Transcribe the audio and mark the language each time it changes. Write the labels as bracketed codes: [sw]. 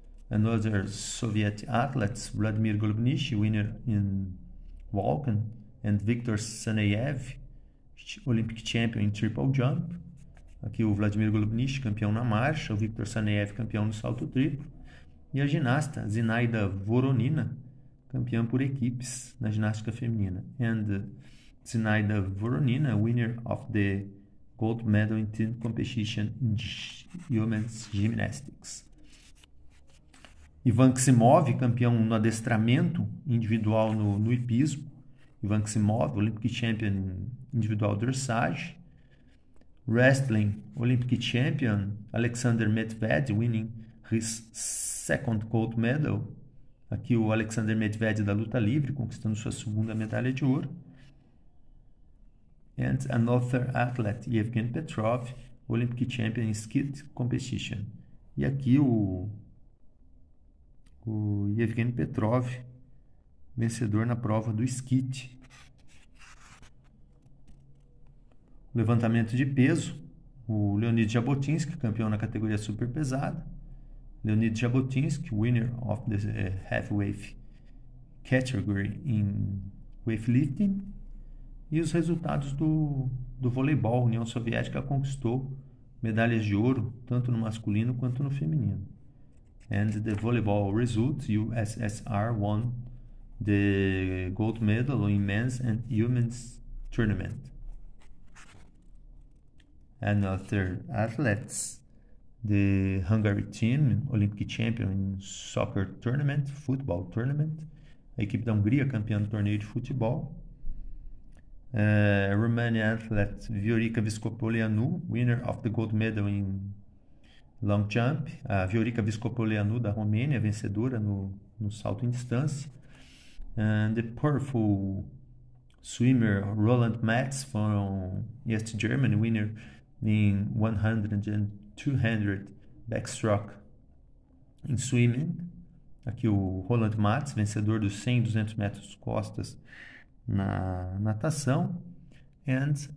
[en] Another Soviet athletes, Vladimir Golubnichi, winner in walking, and Viktor Saneyev, Olympic champion in triple jump. [pt] Aqui o Vladimir Golubnichi, campeão na marcha, o Viktor Saneyev, campeão no salto triplo. E a ginasta, Zinaida Voronina, campeã por equipes na ginástica feminina. [en] And Zinaida Voronina, winner of the gold medal in team competition in women's gymnastics. [pt] Ivan Ksimov, campeão no adestramento individual no hipismo. [en] Ivan Ksimov, Olympic champion individual dressage. Wrestling, Olympic champion Alexander Medved, winning his second gold medal. [pt] Aqui o Alexander Medved da luta livre, conquistando sua segunda medalha de ouro. [en] And another athlete, Yevgeny Petrov, Olympic champion in skeet competition. [pt] E aqui o Yevgeny Petrov, vencedor na prova do skeet. Levantamento de peso, o Leonid Jabotinsky, campeão na categoria super pesada. [en] Leonid Jabotinsky, winner of the heavyweight category in weightlifting. [pt] E os resultados do voleibol. A União Soviética conquistou medalhas de ouro, tanto no masculino quanto no feminino. [en] And the volleyball results, USSR won the gold medal in men's and women's tournament. Another athletes. The Hungary team, Olympic champion in soccer tournament, football tournament. [pt] A equipe da Hungria, campeã do torneio de futebol. [en] Romanian athlete Viorica Viscopoleanu, winner of the gold medal in long jump. [pt] A Viorica Viscopoleanu da Romênia, vencedora no salto em distância. [en] And the powerful swimmer Roland Matz from East Germany, winner in 100 and 200 backstroke em swimming. [pt] Aqui o Roland Matz, vencedor dos 100 e 200 metros costas na natação. And